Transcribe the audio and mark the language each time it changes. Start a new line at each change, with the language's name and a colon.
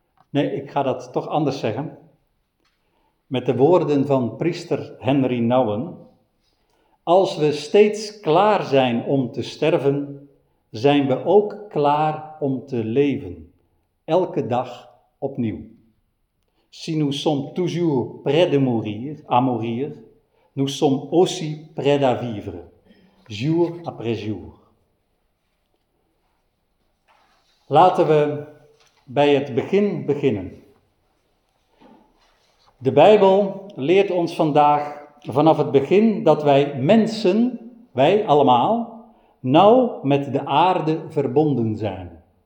Dutch: Nee, ik ga dat toch anders zeggen. Met de woorden van priester Henry Nouwen: als we steeds klaar zijn om te sterven, zijn we ook klaar om te leven. Elke dag opnieuw.
French: Si nous sommes toujours prêts de mourir, à mourir, nous sommes aussi prêts à vivre, jour après jour.
Dutch: Laten we bij het begin beginnen. De Bijbel leert ons vandaag vanaf het begin dat wij mensen, wij allemaal, nauw met de aarde verbonden zijn.